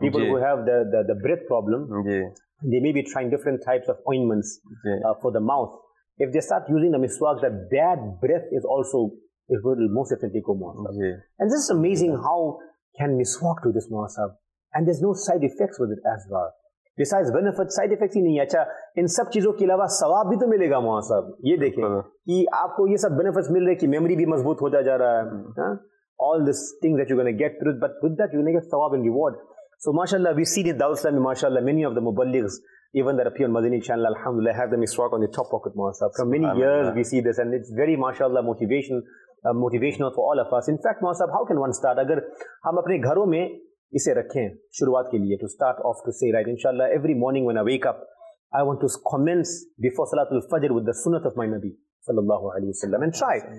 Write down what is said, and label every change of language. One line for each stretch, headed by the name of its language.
English: People who have the breath problem, they may be trying different types of ointments for the mouth. If they start using the miswak, that bad breath is also most effective, Masa. And this is amazing how can miswak do this, Masa. And there's no side effects with it as well. Besides benefits,
Hindi: side effects ही नहीं है. अच्छा, इन सब चीजों के अलावा सवाब भी तो मिलेगा मुआज़ साहब. ये देखें कि आपको ये सब benefits मिल रहे कि memory भी मजबूत होता जा रहा है.
English: All these things that you're going to get through, but with that you're going to get सवाब and reward. So mashallah, we see in Dawud Islam, mashallah, many of the muballighs, even that appear on Madani channel, alhamdulillah, have the miswak on the top pocket, mu'az sahab. For many years we see this, and it's very mashallah motivational for all of us. In fact, mu'az sahab, how can one start?
Hindi: अगर हम अपने घरों में इसे रखें शुरुआत के लिए,
English: to start off to say, right, inshallah, every morning when I wake up, I want to commence before Salatul Fajr with the sunnah of my Nabi sallallahu alayhi wa sallam, and try.